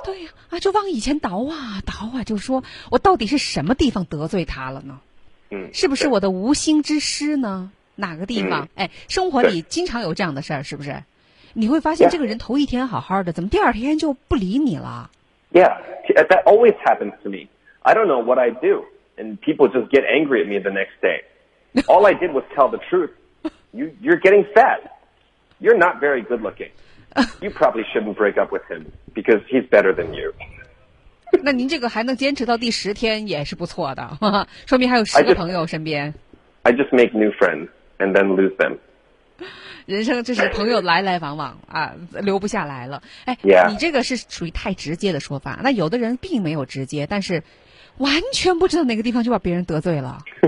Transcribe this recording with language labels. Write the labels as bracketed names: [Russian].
[Chinese] 对啊，就往以前倒啊倒啊，就说我到底是什么地方得罪他了呢？是不是我的无心之失呢？哪个地方？哎，生活里经常有这样的事儿，是不是？你会发现这个人头一天好好的，怎么第二天就不理你了？ [English] Yeah, that always happens to me. I don't know what I do, and people just get angry at me the next day. All I did was tell the truth. You're getting fat. You're not very good looking. You probably shouldn't break up with him because he's better than you. [Chinese] 那您这个还能坚持到第十天也是不错的，说明还有十个朋友身边。 [English] I just make new friends and then lose them. [Chinese] 人生就是朋友来来往往啊，留不下来了。哎， [English] yeah. [Chinese] 你这个是属于太直接的说法。那有的人并没有直接，但是完全不知道哪个地方就把别人得罪了。